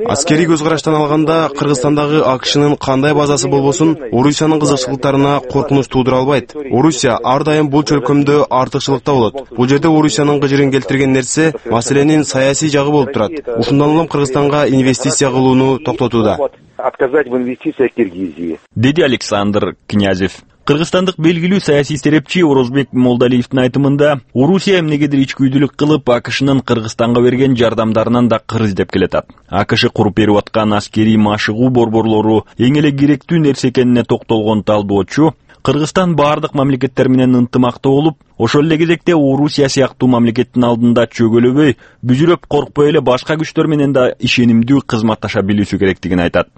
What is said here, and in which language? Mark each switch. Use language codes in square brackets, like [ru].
[ky] Аскерий көз караштан алганда Кыргызстандагы АКШнын кандай базасы болбосун, Орусиянын кызыкчылыктарына коркунуч туудура албайт. Орусия ар дайым бул чөлкөмдө артыкчылыкта болот. Бул жерде Орусиянын кыжырын келтирген нерсе маселенин саясий жагы болуп турат. Ушундан улам Кыргызстанга инвестиция кылууну токтотууда. [ru] Отказать в инвестициях Киргизии. [ky] Деди Александр Князев. Кыргызстандык белгилүү саясий серепчи Орозбек Молдалиевдин айтымында Орусия эмнегедир ич күйдүлүк кылып АКШнын Кыргызстанга берген жардамдарынан да кыр издеп келатат. АКШ куруп берип аткан аскерий машыгуу борборлору эң эле керектүү нерсе экенине токтолгон талдоочу Кыргызстан баардык мамлекеттер менен ынтымакта болуп, ошол эле кезекте Орусия сыяктуу мамлекеттин алдында чөгөлөбөй, бүжүрөп коркпой эле башка күчтөр менен да ишенимдүү кызматташа билүүсү керектигин айтат.